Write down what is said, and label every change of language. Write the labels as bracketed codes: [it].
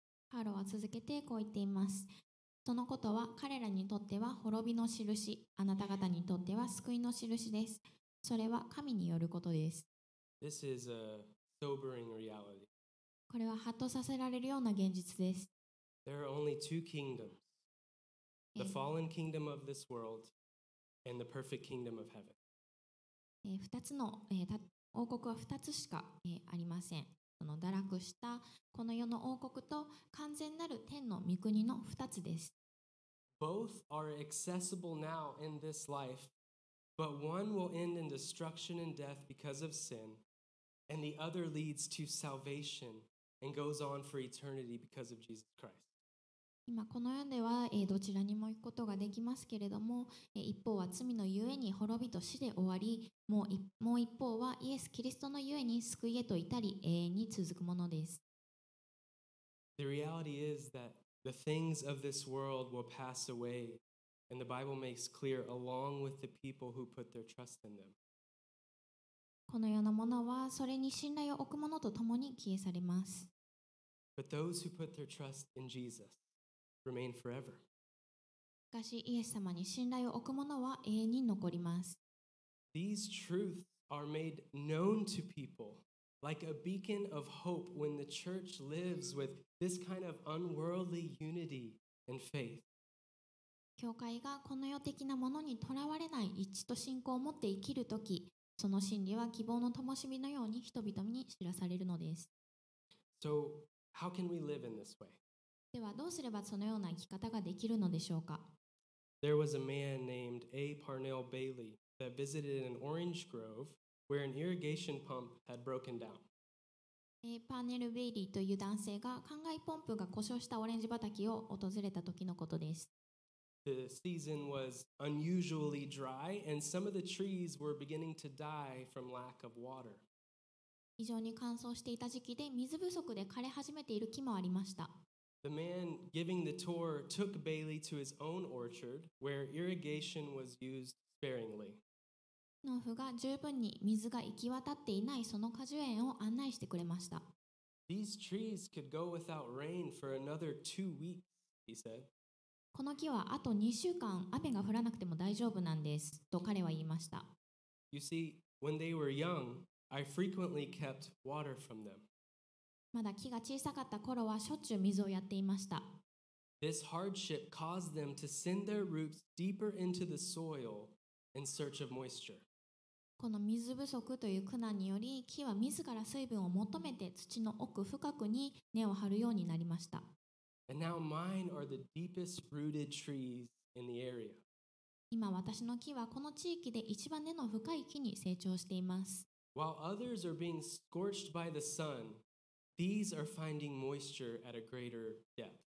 [ja] パウロは続けてこう言っています。そのことは彼らにとっては滅びの印、あなた方にとっては救いの印です。それは神によることです。 [en] This is a sobering reality. [ja] これはハッとさせられるような現実です。 [en] There are only two kingdoms. The fallen kingdom of this world,And the perfect kingdom of heaven. [ja] 二つの王国は二つしかありません。その堕落したこの世の王国と完全なる天の御国の二つです。 [en] Both are accessible now in this life, but one will end in destruction and death because of sin, and the other leads to salvation and goes on for eternity because of Jesus Christ. [ja] 今この世ではどちらにも行くことができますけれども一方は罪のゆえに滅びと死で終わりもう一方はイエス・キリストのゆえに救いへと至り永遠に続くものです。 [en] The reality is that the things of this world will pass away and the Bible makes clear along with the people who put their trust in them. [ja] この世のものはそれに信頼を置くものとともに消え去ります。 [en] But those who put their trust in Jesus remain forever. [ja] しかし、イエス様に信頼を置くものは永遠に残ります。 [en] These truths are made known to people like a beacon of hope when the church lives with this kind of unworldly unity and faith. [ja] 教会がこの世的なものにとらわれない一致と信仰を持って生きるとき、その真理は希望の灯火のように人々に知らされるのです。 [en] So, how can we live in this way? [ja] ではどうすればそのような生き方ができるのでしょうか。 [en] There was a man named A. Parnell Bailey that visited an orange grove where an irrigation pump had broken down. [ja] A. Parnell Bailey という男性が灌漑ポンプが故障したオレンジ畑を訪れた時のことです。 [en] The season was unusually dry, and some of the trees were beginning to die from lack of water. [ja] 非常に乾燥していた時期で水不足で枯れ始めている木もありました。 [en] The man giving the tour took Bailey to his own orchard, where irrigation was used sparingly. [ja] 農夫が十分に水が行き渡っていないその果樹園を案内してくれました。 [en] These trees could go without rain for another 2 weeks, he said. [ja] この木はあと2週間雨が降らなくても大丈夫なんですと彼は言いました。 [en] You see, when they were young, I frequently kept water from them. [ja] まだ木が小さかった頃はしょっちゅう水をやっていました。 [en] This hardship caused them to send their roots deeper into the soil in search of moisture. [ja] この水不足という苦難により木は自ら水分を求めて土の奥深くに根を張るようになりました。 [en] And now mine are the deepest rooted trees in the area. [ja] 今私の木はこの地域で一番根の深い木に成長しています。 [en] While others are being scorched by the sun, these are finding moisture at a greater depth.